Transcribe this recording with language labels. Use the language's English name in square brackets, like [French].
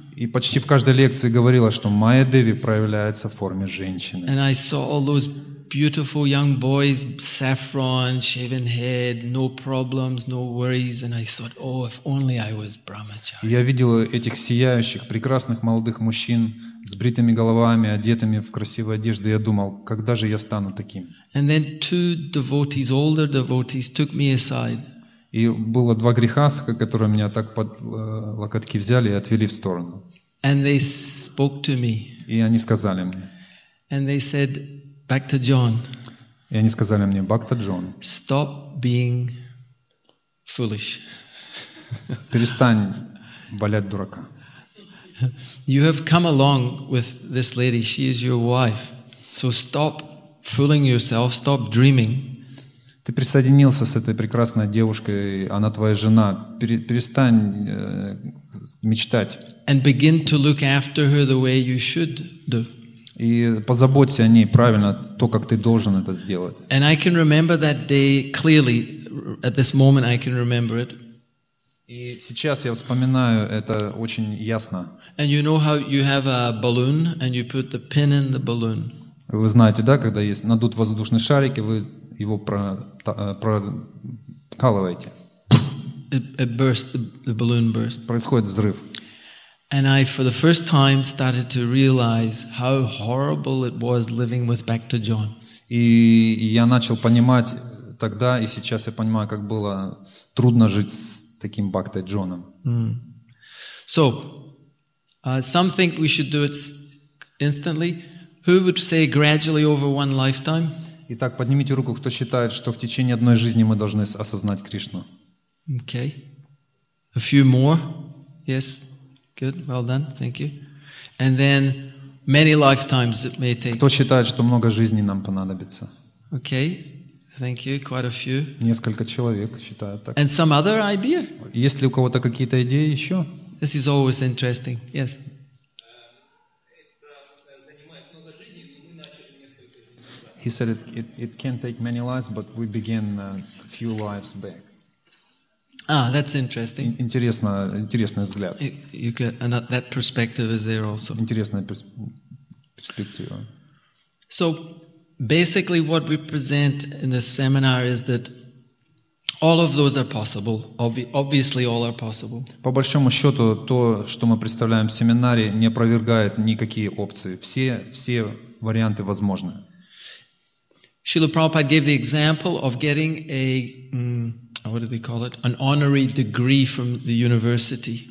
[Russian] И почти в каждой лекции говорилось, что Майя Деви проявляется в форме женщины. [English] And I saw all those beautiful young boys, saffron, shaven head, no problems, no worries, and I thought, oh, if only I was Brahmachari. [Russian] Я видел этих сияющих, прекрасных молодых мужчин с бритыми головами, одетыми в красивые одежды. Я думал, когда же я стану таким? [English] And then two devotees, older devotees, took me aside. [Russian] И было два грехаса, которые меня так под локотки взяли и отвели в сторону. [English] And they spoke to me. [Russian] И они сказали мне. [English] And they said, Bhakta John. [Russian] И они сказали мне, Бхакта Джон. [English] Stop being foolish. [Russian] Перестань валять дурака. [English] You have come along with this lady. She is your wife. So stop fooling yourself. Stop dreaming. [Russian] Ты присоединился с этой прекрасной девушкой. Она твоя жена. Перестань мечтать. [English] And begin to look after her the way you should do. [Russian] И позаботься о ней правильно, то, как ты должен это сделать. [English] And I can remember that day clearly. At this moment, I can remember it. [Russian] И сейчас я вспоминаю это очень ясно. [English] And you know how you have a balloon and you put the pin in the balloon. [Russian] Вы знаете, да, когда есть надут воздушный шарик и вы его прокалываете. [English] It burst, the balloon burst. [Russian] Происходит взрыв. [English] And I, for the first time, started to realize how horrible it was living with Bhakta John. [Russian] И я начал понимать тогда и сейчас я понимаю, как было трудно жить с таким Бхактой Джоном. [English] So, some think we should do it instantly. Who would say gradually over one lifetime? [Russian] Итак, поднимите руку, кто считает, что в течение одной жизни мы должны осознать Кришну. [English] Okay. A few more. Yes. Good. Well done. Thank you. And then many lifetimes it may take. [Russian] Кто считает, что много жизней нам понадобится? [English] Okay. Thank you. Quite a few. [Russian] Несколько человек считают так. [English] And some other idea? [Russian] Есть ли у кого-то какие-то идеи еще? [English] This is always interesting. Yes. He said it can take many lives, but we began a few lives back. Ah, that's interesting. [Russian] Интересный взгляд. [English] You can, and that perspective is there also. [Russian] Интересная перспектива. [English] So basically what we present in this seminar is that all of those are possible. Obviously all are possible. [Russian] По большому счету, то, что мы представляем в семинаре, не опровергает никакие опции. Все варианты возможны. [English] Srila Prabhupada gave the example of getting a what do they call it? An honorary degree from the university.